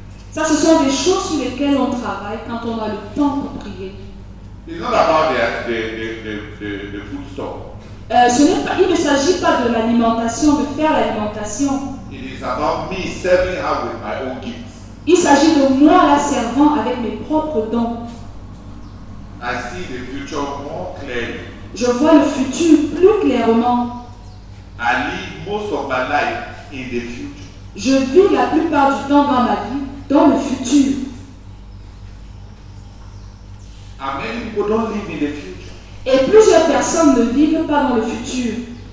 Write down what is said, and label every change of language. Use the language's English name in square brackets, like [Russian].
[French] Ça, ce sont des choses sur lesquelles on travaille quand on a le temps pour prier. [English] It's not about the food store. [French] Ce n'est pas, il ne s'agit pas de l'alimentation, de faire l'alimentation. [English] It is about me serving her with my own gifts. [French] Il s'agit de moi la servant avec mes propres dons. [English] I see the future more clearly. [French] Je vois le futur plus clairement. [English] I live most of my life in the future. [French] Je vis la plupart du temps dans ma vie dans le futur. [English] And many people don't live in the future. [French] Et plusieurs personnes ne vivent pas dans le futur.